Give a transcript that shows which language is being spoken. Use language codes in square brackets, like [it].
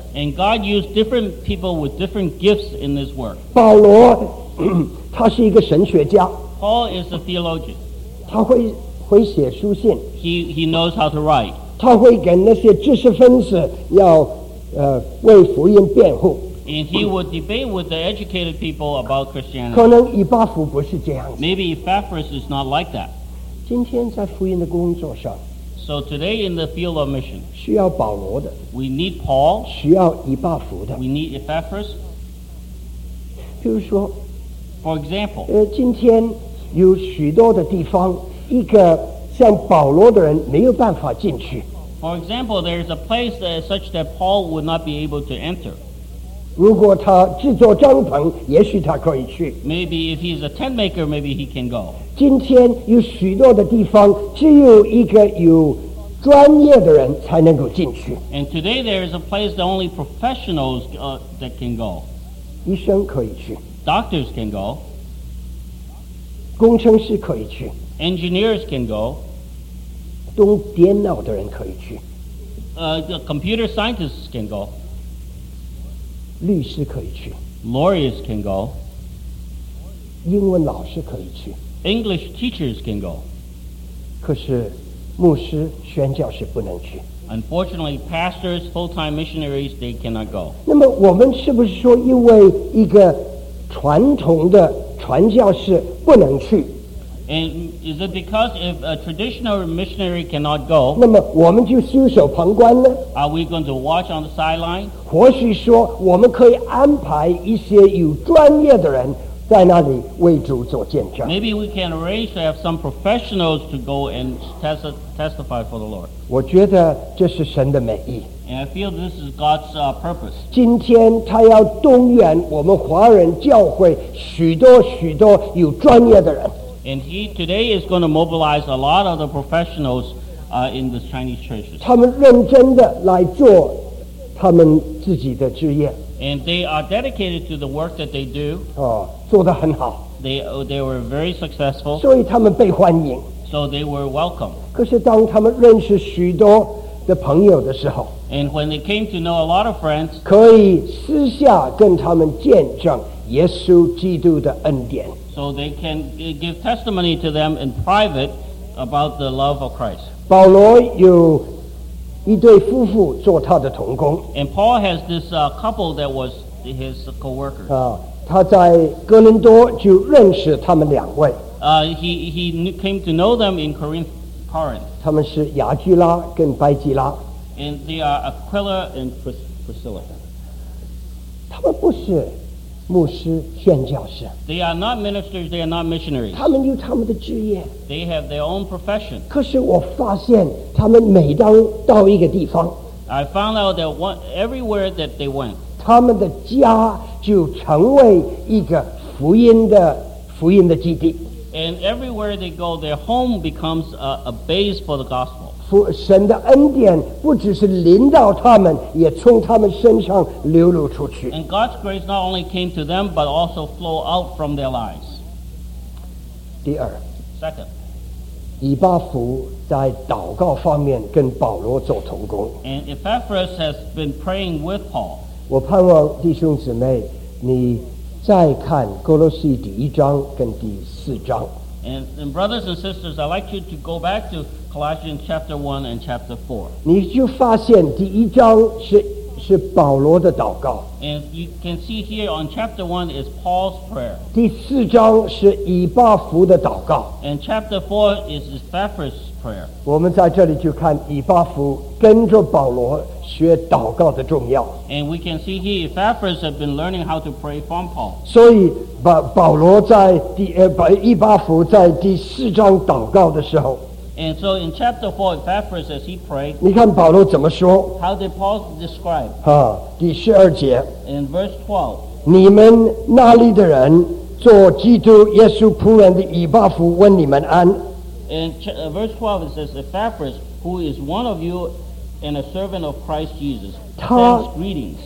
[en] And God used different people with different gifts in this work. [zh] 保罗，他是一个神学家。 [en] Paul is a theologian. [zh] 他会写书信。 [en] He knows how to write. [zh] 他会跟那些知识分子要为福音辩护。 [en] And he would debate with the educated people about Christianity. [zh] 可能以巴弗不是这样。 [en] Maybe Epaphras is not like that. [zh] 今天在福音的工作上。 [en] So today in the field of mission, [zh] 需要保罗的, [en] we need Paul, [zh] 需要以巴弗的, [en] we need Epaphras. [zh] 比如说, [en] For example, [zh] 今天有许多的地方, 一个像保罗的人没有办法进去。 [en] For example, there is a place that is such that Paul would not be able to enter. [zh] 如果他制作帐篷, 也许他可以去。 [en] Maybe if he is a tent maker, maybe he can go. [zh] 今天有许多的地方只有一个有专业的人才能够进去。 [en] And today there is a place that only professionals that can go. [zh] 医生可以去。 [en] Doctors can go. [zh] 工程师可以去。 [en] Engineers can go. [zh] 懂电脑的人可以去。 [en] The computer scientists can go. [zh] 律师可以去。 [en] Lawyers can go. [zh] 英文老师可以去。 [en] English teachers can go. [zh] 可是牧师宣教士不能去。 [en] Unfortunately, pastors, full-time missionaries, they cannot go. [zh] 那么我们是不是说因为一个传统的传教士不能去？ [en] And is it because if a traditional missionary cannot go? [zh] 那么我们就袖手旁观呢？ [en] Are we going to watch on the sideline? [zh] 或许说我们可以安排一些有专业的人在那里为主做见证。 [en] Maybe we can arrange to have some professionals to go and testify for the Lord. [zh] 我觉得这是神的美意。 [en] And I feel this is God's purpose. [zh] 今天他要动员我们华人教会许多许多有专业的人。 [en] And he today is going to mobilize a lot of the professionals in the Chinese churches. [zh] 他们认真的来做他们自己的职业。 [en] And they are dedicated to the work that they do. [zh] 哦，做得很好。 [en] They were very successful. [zh] 所以他们被欢迎。 [en] So they were welcome. [zh] 可是当他们认识许多的朋友的时候， [en] And when they came to know a lot of friends, [zh] 可以私下跟他们见证耶稣基督的恩典。 [en] So they can give testimony to them in private about the love of Christ. [zh] 保罗有一对夫妇做他的同工。 [en] And Paul has this couple that was his co-worker. [zh] 他在哥林多就认识他们两位。 [en] He came to know them in Corinth. [zh] 他们是亚居拉跟拜基拉。 [en] And they are Aquila and Priscilla. [zh] 他们不是牧师宣教士。 [en] They are not ministers, they are not missionaries. [zh] 他们有他们的职业。 [en] They have their own profession. [zh] 可是我发现他们每当到一个地方， [en] I found out that everywhere that they went, [zh] 他们的家就成为一个福音的基地。 [en] And everywhere they go, their home becomes a base for the gospel. [zh] 神的恩典不只是临到他们，也从他们身上流露出去。 [en] And God's grace not only came to them, but also flow out from their lives. [zh] 第二 [en] Second, [zh] 以巴弗在祷告方面跟保罗做同工。 [en] And Epaphras has been praying with Paul. [zh] 我盼望弟兄姊妹，你再看哥罗西第一章跟第四章。 [en] And brothers and sisters, I'd like you to go back to Colossians chapter 1 and chapter 4. [zh] 你就发现第一章是保罗的祷告。 [en] And you can see here on chapter 1 is Paul's prayer. [zh] 第四章是以巴弗的祷告。 [en] And chapter 4 is Epaphras' prayer. [zh] 我们在这里就看以巴弗跟着保罗学祷告的重要。 [en] And we can see here Epaphras have been learning how to pray from Paul. [zh] 所以保罗在以巴弗在第四章祷告的时候， [en] And so in chapter 4, Epaphras, as he prayed, [zh] 你看保罗怎么说? [en] How did Paul describe? [zh] 第十二节, [en] in verse 12, [zh] 你们那里的人做基督耶稣仆人的以巴弗问你们安。 [en] In verse 12, it says, Epaphras, who is one of you and a servant of Christ Jesus, sends greetings.